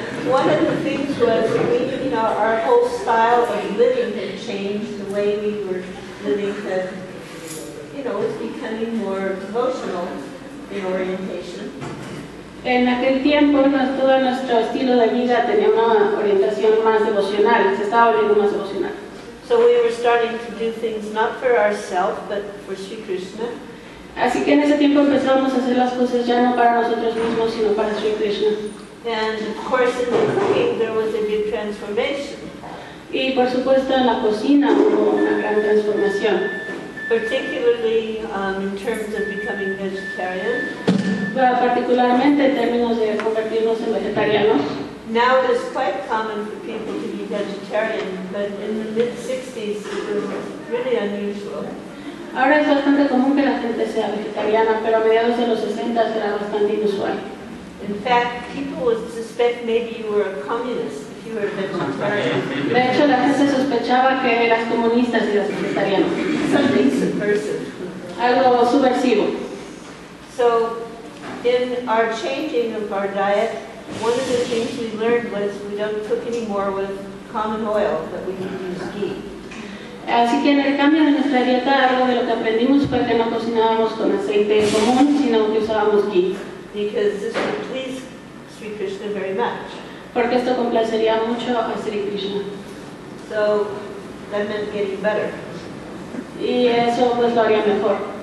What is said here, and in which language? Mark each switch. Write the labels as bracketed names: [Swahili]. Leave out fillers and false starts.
[English] One of the things was we, our whole style of living had changed. The way we were living had, was becoming more devotional in orientation. [Spanish] En aquel tiempo, todo nuestro estilo de vida tenía una orientación más devocional, se estaba volviendo más devocional. [English] So we were starting to do things not for ourselves, but for Sri Krishna. [Spanish] Así que en ese tiempo empezamos a hacer las cosas ya no para nosotros mismos, sino para Sri Krishna. [English] And of course, in the cooking, there was a big transformation. [Spanish] Y por supuesto, en la cocina hubo una gran transformación. [English] Particularly in terms of becoming vegetarian. [Spanish] Bueno, particularmente en términos de convertirnos en vegetarianos. [English] Now it is quite common for people to be vegetarian, but in the mid-60s it was really unusual. [Spanish] Ahora es bastante común que la gente sea vegetariana, pero a mediados de los 60 era bastante inusual. [English] In fact, people would suspect maybe you were a communist if you were a vegetarian. [Spanish] De hecho, la gente sospechaba que eras comunista si eras vegetariano. [English] Something subversive. [Spanish] Algo subversivo. [English] So, in our changing of our diet, one of the things we learned was we don't cook anymore with common oil, but we can use ghee. [Spanish] Así que en el cambio de nuestra dieta, algo de lo que aprendimos fue que no cocinábamos con aceite común, sino que usábamos ghee. [English] Because this would please Sri Krishna very much. [Spanish] Porque esto complacería mucho a Sri Krishna. [English] So, that meant getting better. [Spanish] Y eso pues lo haría mejor.